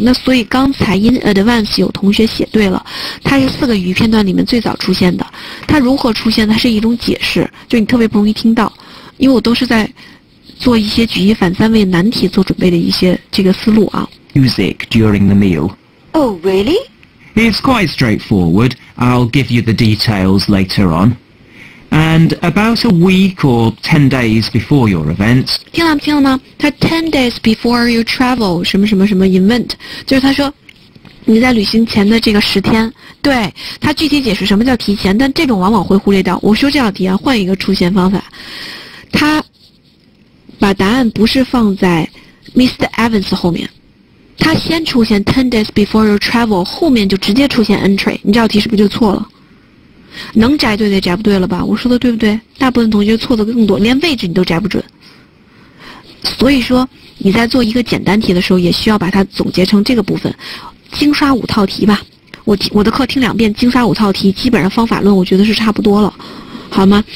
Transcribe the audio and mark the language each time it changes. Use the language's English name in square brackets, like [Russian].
[Chinese] 那所以刚才 [English] in advance [Chinese] 有同学写对了，它是四个语义片段里面最早出现的。它如何出现？它是一种解释，就你特别不容易听到，因为我都是在做一些举一反三为难题做准备的一些这个思路啊。 [English] Music during the meal. Oh, really? It's quite straightforward. I'll give you the details later on. And about a week or 10 days before your event. [Chinese] 听了吗？他 [English] 10 days before you travel [Chinese] 什么什么什么 event， 就是他说你在旅行前的这个十天。对，他具体解释什么叫提前，但这种往往会忽略掉。我说这道题啊，换一个出现方法，他把答案不是放在 Mr. Evans 后面，他先出现 [English] ten days before you travel， [Chinese] 后面就直接出现 entry。你这道题是不是就错了？能摘对的摘不对了吧？我说的对不对？大部分同学错的更多，连位置你都摘不准。所以说你在做一个简单题的时候，也需要把它总结成这个部分，精刷五套题吧。我的课听两遍，精刷五套题，基本上方法论我觉得是差不多了，好吗？